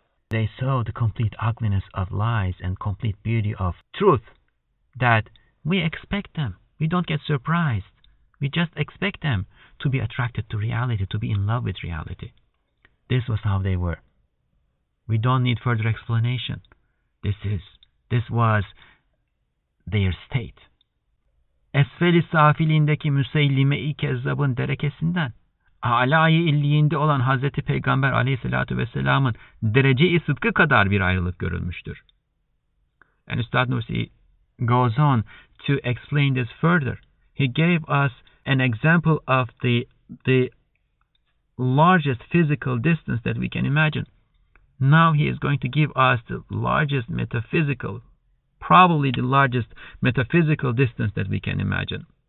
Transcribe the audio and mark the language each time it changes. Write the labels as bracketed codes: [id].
[en] They saw the complete ugliness of lies and complete beauty of truth that we expect them. We don't get surprised. We just expect them to be attracted to reality, to be in love with reality. This was how they were. We don't need further explanation. This was their state. [tr] Esfel-i safilindeki Müseylime-i Kezzab'ın derekesinden, âlâ-i illiyinde olan Hazreti Peygamber aleyhissalâtu vesselâm'ın derece-i sıdkı kadar bir ayrılık görülmüştür. [en] And Üstad Nursi goes on to explain this further. He gave us an example of the largest physical distance that we can imagine. Now he is going to give us the largest metaphysical, probably the largest metaphysical distance that we can imagine.